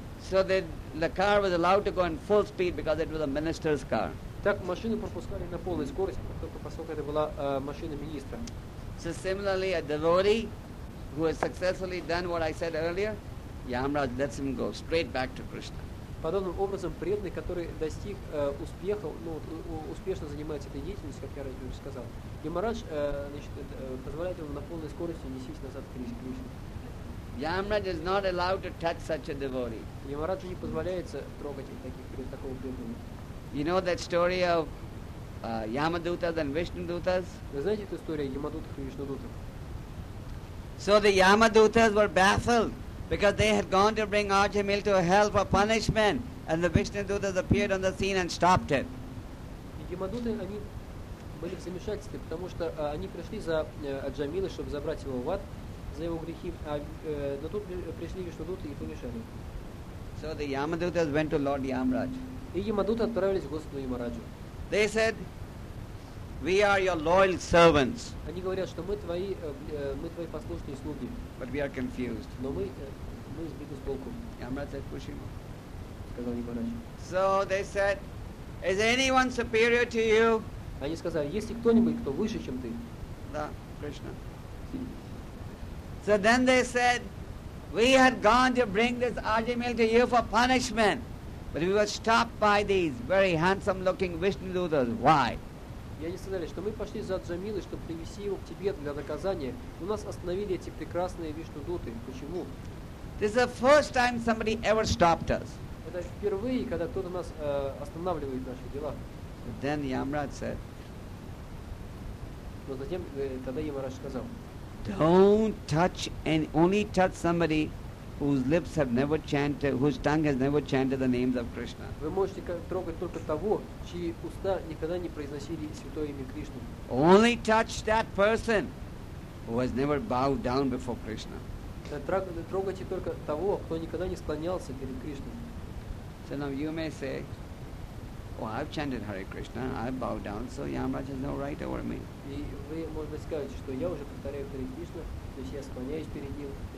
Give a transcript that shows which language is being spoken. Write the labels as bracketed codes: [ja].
[en] So the car was allowed to go in full speed because it was a minister's car. [ru] Так машину пропускали на полной скорости, поскольку это была машина министра. [en] So similarly, a devotee who has successfully done what I said earlier, Yamraj lets him go straight back to Krishna. [ru] Подобным образом преданный, который достиг успеха, успешно занимается этой деятельностью, как я раньше уже сказал, Ямарадж позволяет ему на полной скорости нестись назад к Кришне. [en] Yamraj is not allowed to touch such a devotee. [ru] Ямараджу не позволяется трогать такого преданного. [en] You know that story of Yamadutas and Vishnudutas? [ru] Вы знаете эту историю Ямадутов и Вишнудутов? [en] So the Yamadutas were baffled. Because they had gone to bring Ajamil to hell for punishment, and the Vishnudutas appeared on the scene and stopped it. [ru] Ямадуты они были в замешательстве, потому что они пришли за Аджамила, чтобы забрать его в ад за его грехи, но тут пришли Вишнудуты и помешали. [en] So the Yamadutas went to Lord Yamraj. [ru] И Ямадуты отправились к Господу Ямараджу. [en] They said, "We are your loyal servants." [ru] Они говорят, что мы твои послушные слуги. [en] But we are confused. [ru] Но мы сбиты с толку. [en] Yamraj said, "Push him." [ru] Сказал Ямарадж. [en] So they said, "Is anyone superior to you?" [ru] Они сказали, есть ли кто-нибудь, кто выше, чем ты? Да, Кришна. [en] So then they said, "We had gone to bring this Ajamil to you for punishment, but we were stopped by these very handsome-looking Vishnudutas. Why?" [ru] И они сказали, что мы пошли за Аджамилой, чтобы привести его к тебе для наказания. У нас остановили эти прекрасные Вишнудуты. Почему? [en] This is the first time somebody ever stopped us. [ru] Это впервые, когда кто-то нас останавливает наши дела. [en] But then Yamraj said. [ru] Но затем тогда Ямарадж сказал. [en] Don't touch and only touch somebody whose lips have never chanted, whose tongue has never chanted the names of Krishna. [ru] Вы можете трогать только того, чьи уста никогда не произносили святое имя Кришны. [en] Only touch that person who has never bowed down before Krishna. [ru] Трогайте только того, кто никогда не склонялся перед Кришной. [en] So now you may say, "Oh, I've chanted Hare Krishna, I've bowed down, so Yamraj has no right over me." [ru] И вы можете сказать, что я уже повторяю Хари Кришна, то есть я склоняюсь перед ним.